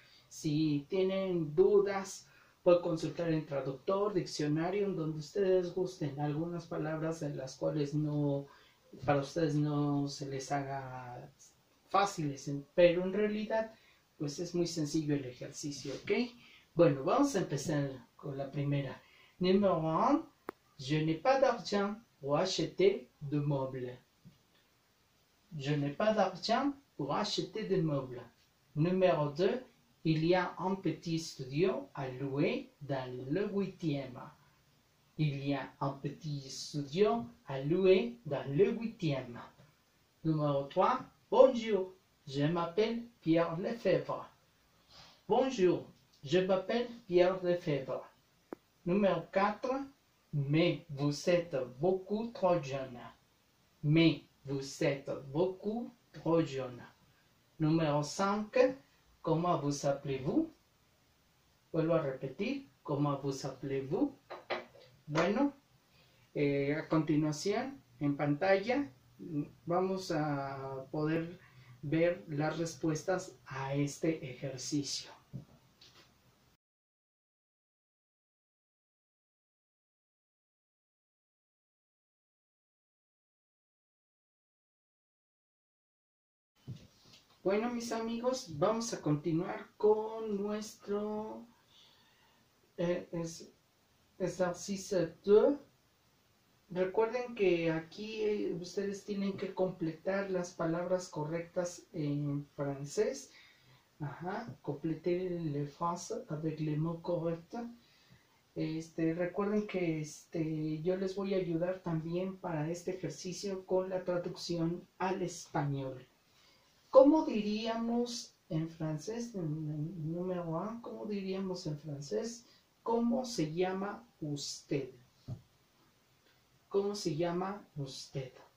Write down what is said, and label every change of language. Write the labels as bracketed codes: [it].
[es] Si tienen dudas, pueden consultar en traductor, diccionario, en donde ustedes gusten, algunas palabras en las cuales no, para ustedes no se les haga fáciles, pero en realidad pues es muy sencillo el ejercicio, ¿ok? Bueno, vamos a empezar con la primera. Número 1. [fr] Je n'ai pas d'argent pour acheter de meubles. Je n'ai pas d'argent pour acheter de meubles. [es] Número 2. [fr] Il y a un petit studio à louer dans le 8e. Il y a un petit studio à louer dans le 8e. [es] Número 3. [fr] Bonjour. Je m'appelle Pierre Lefebvre. Bonjour, je m'appelle Pierre Lefebvre. [es] Número 4. [fr] Mais vous êtes beaucoup trop jeune. Mais vous êtes beaucoup trop jeune. [es] Número 5. [fr] Comment vous appelez-vous? [es] Vuelvo a repetir. [fr] Comment vous appelez-vous? [es] Bueno, a continuación en pantalla vamos a poder ver las respuestas a este ejercicio. Bueno, mis amigos, vamos a continuar con nuestro ejercicio. Recuerden que aquí ustedes tienen que completar las palabras correctas en francés. [fr] Completer la frase avec les mots corrects. [es] Recuerden que yo les voy a ayudar también para este ejercicio con la traducción al español. ¿Cómo diríamos en francés? Número uno, ¿cómo diríamos en francés? ¿Cómo se llama usted? ¿Cómo se llama usted?